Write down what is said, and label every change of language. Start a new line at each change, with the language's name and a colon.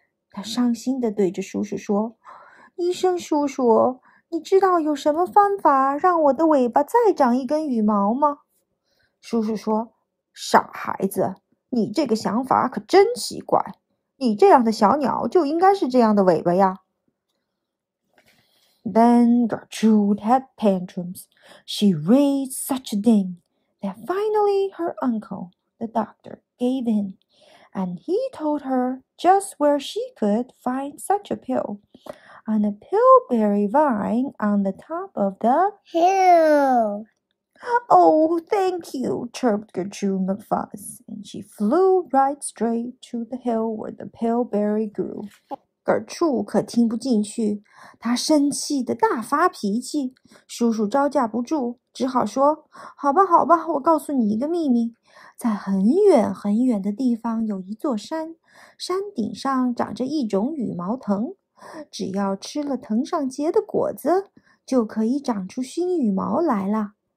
Chinese: 他伤心地对着叔叔说，医生叔叔，你知道有什么方法让我的尾巴再长一根羽毛吗？叔叔说，傻孩子，你这个想法可真奇怪。你这样的小鸟就应该是这样的尾巴呀。
English: Then Gertrude had tantrums. She raised such a din that finally her uncle, the doctor, gave in. And he told her just where she could find such a pill. On a pillberry vine on the top of the hill. Oh, thank you, chirped Gertrude McFuzz. And she flew right straight to the hill where the pale berry grew.
Chinese: Gertrude 可听不进去，她生气的大发脾气。叔叔招架不住，只好说，好吧，好吧，我告诉你一个秘密。在很远很远的地方有一座山，山顶上长着一种羽毛藤。只要吃了藤上结的果子，就可以长出新羽毛来了。